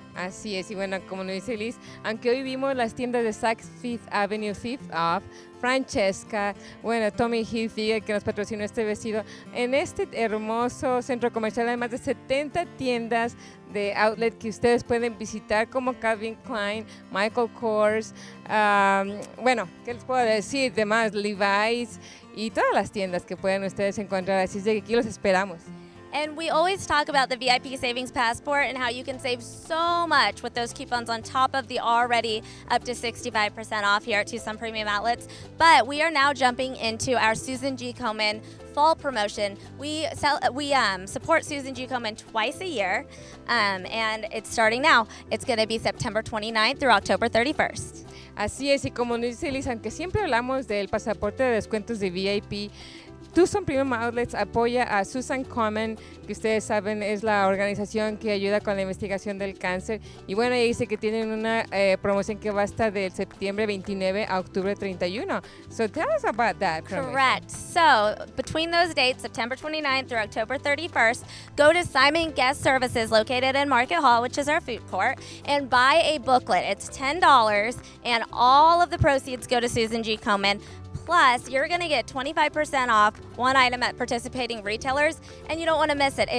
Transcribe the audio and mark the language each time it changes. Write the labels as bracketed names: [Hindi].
[Spanish] Así es, y bueno, como nos dice Liz, aunque hoy vimos las tiendas de Saks Fifth Avenue, Fifth Off, Francesca, bueno, Tommy Hilfiger, que nos patrocinó este vestido, en este hermoso centro comercial hay más de 70 tiendas de outlet que ustedes pueden visitar, como Calvin Klein, Michael Kors, bueno, ¿qué les puedo decir? Demás, Levi's, y todas las tiendas que pueden ustedes encontrar, así es de que aquí los esperamos. [English] And we always talk about the VIP Savings Passport and how you can save so much with those coupons on top of the already up to 65% off here at Tucson Premium Outlets. But we are now jumping into our Susan G. Komen fall promotion. We support Susan G. Komen twice a year, and it's starting now. It's going to be September 29th through October 31st. [Spanish] Así es, y como nos dice Liz, aunque siempre hablamos del pasaporte de descuentos de VIP, Tucson Premium Outlets apoya a Susan Komen, que ustedes saben es la organización que ayuda con la investigación del cáncer. Y bueno, ella dice que tienen una promoción que va a estar del septiembre 29 a octubre 31. [English] So tell us about that. Correct. So between those dates, September 29th through October 31st, go to Simon Guest Services located in Market Hall, which is our food court, and buy a booklet. It's $10 and all of the proceeds go to Susan G. Komen. Plus, you're going to get 25% off one item at participating retailers, and you don't want to miss it.